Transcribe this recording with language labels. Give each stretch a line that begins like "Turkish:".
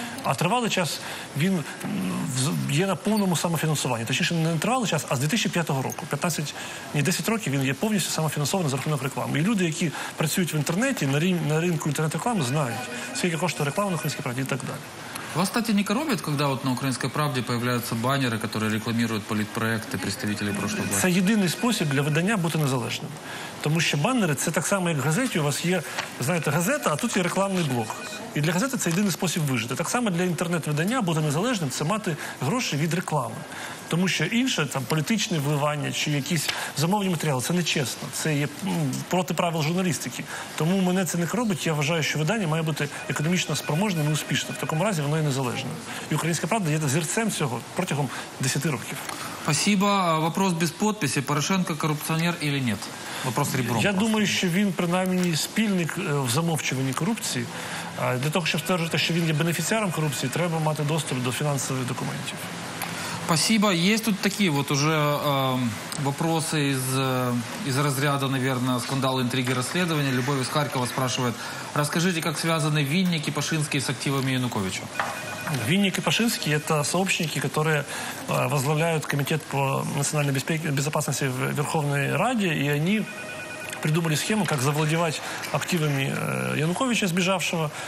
Ukrainian: А тривалий час він є на повному самофінансуванні. Точніше, не тривалий час, а з 2005 року. 10 років він є повністю самофінансований за рахунок реклами. І люди, які працюють в інтернеті, на ринку інтернет-реклами, знають, скільки коштує реклама на «Українській правді» і так далі.
Russian: Вас, кстати, не коробят, когда вот на «Украинской правде» появляются баннеры, которые рекламируют политпроекты представителей прошлого года? Это единственный способ для выдания быть независимым. Потому что баннеры – это
Ukrainian: так само,
Russian: как в газете. У вас есть, знаете, газета, а тут есть рекламный блок. И для газеты это единственный способ выжить.
Ukrainian: Так само
Russian: для интернет-выдания быть независимым – это иметь деньги от рекламы.
Ukrainian: Тому що інше, там, політичне вливання чи якісь замовні матеріали, це не чесно. Це є проти правил журналістики. Тому мене це не робить. Я вважаю, що видання має бути економічно спроможним і успішним. В такому разі воно і незалежне. І «Українська правда» є зірцем цього протягом 10 років.
Russian: Спасибо. Вопрос
Ukrainian: без підписи. Порошенко корупціонер чи ні?
Russian: Вопрос ребром.
Ukrainian: Я думаю, що він принаймні спільник в замовчуванні корупції. Для того, щоб стверджувати, що він є бенефіціаром корупції, треба мати доступ до фінансових документів.
Russian: Спасибо. Есть тут такие вот уже вопросы из разряда, наверное, скандал, интриги, расследования. Любовь из Харькова спрашивает, расскажите, как связаны Винник и Пашинский с активами Януковича? Винник и Пашинский – это сообщники, которые возглавляют комитет по национальной безопасности в Верховной Раде, и они придумали схему, как завладевать активами Януковича, сбежавшего.